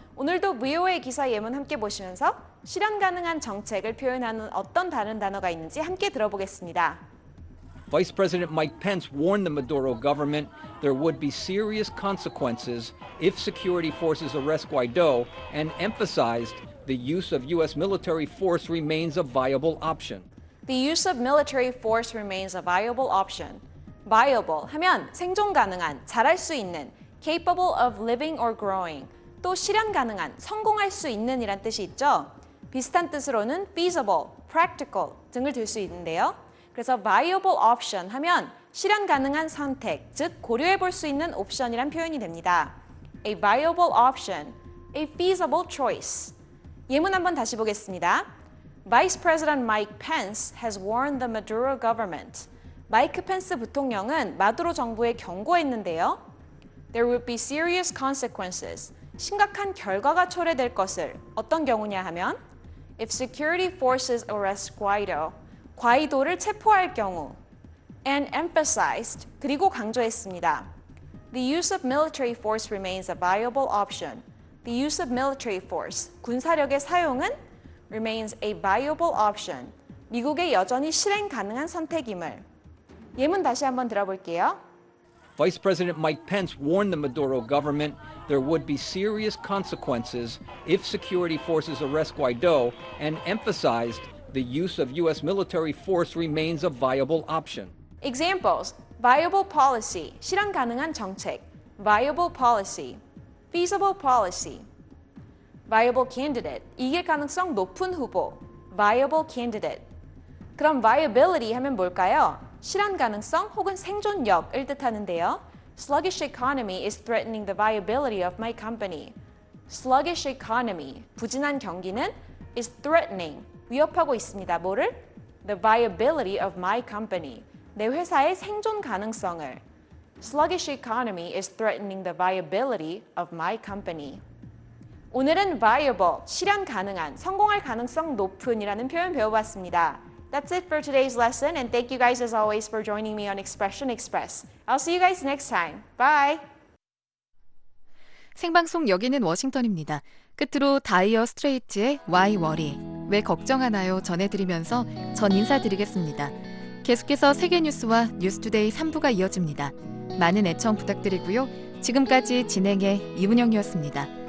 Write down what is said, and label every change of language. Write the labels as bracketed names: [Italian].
[Korean] 오늘도 VOA 기사 예문 함께 보시면서 실현 가능한 정책을 표현하는 어떤 다른 단어가 있는지 함께 들어보겠습니다. [English] Vice President Mike Pence warned the Maduro government there would be serious consequences if security forces arrest Guaido and emphasized the use of U.S. military force remains a viable option. The use of military force remains a viable option. [Korean] Viable 하면 생존 가능한, 잘할 수 있는, [English] capable of living or growing, [Korean] 또 실현 가능한, 성공할 수 있는이란 뜻이 있죠. 비슷한 뜻으로는 feasible, practical 등을 들 수 있는데요. 그래서 viable option 하면 실현 가능한 선택, 즉 고려해 볼 수 있는 옵션이란 표현이 됩니다. [English] A viable option, a feasible choice. [Korean] 예문 한번 다시 보겠습니다. [English] Vice President Mike Pence has warned the Maduro government. [Korean] 마이크 펜스 부통령은 마두로 정부에 경고했는데요. [English] There would be serious consequences. [Korean] 심각한 결과가 초래될 것을 어떤 경우냐 하면 [English] If security forces arrest Guaido, [Korean] 과이도를 체포할 경우 [English] And emphasized, [Korean] 그리고 강조했습니다. [English] The use of military force remains a viable option. The use of military force, [Korean] 군사력의 사용은 [English] remains a viable option. [Korean] 미국의 여전히 실행 가능한 선택임을 예문 다시 한번 들어볼게요. [English] Vice President Mike Pence warned the Maduro government there would be serious consequences if security forces arrest Guaido and emphasized the use of U.S. military force remains a viable option. Examples, viable policy, [Korean] 실현 가능한 정책, [English] viable policy, feasible policy, viable candidate, [Korean] 이길 가능성 높은 후보, [English] viable candidate. [Korean] 그럼 viability 하면 뭘까요? 실현 가능성 혹은 생존력을 뜻하는데요. [English] Sluggish economy is threatening the viability of my company. Sluggish economy, [Korean] 부진한 경기는 [English] is threatening, [Korean] 위협하고 있습니다. 뭐를? [English] The viability of my company, [Korean] 내 회사의 생존 가능성을. [English] Sluggish economy is threatening the viability of my company. [Korean] 오늘은 viable, 실현 가능한, 성공할 가능성 높은이라는 표현 배워봤습니다. [English] That's it for today's lesson, and thank you guys as always for joining me on Expression Express. I'll see you guys next time. Bye! [Korean] 생방송 여기는 워싱턴입니다. 끝으로 다이어 스트레이트의 Why Worry? 왜 걱정하나요? 전해드리면서 전 인사드리겠습니다. 계속해서 세계 뉴스와 뉴스투데이 3부가 이어집니다. 많은 애청 부탁드리고요. 지금까지 진행의 이문영이었습니다.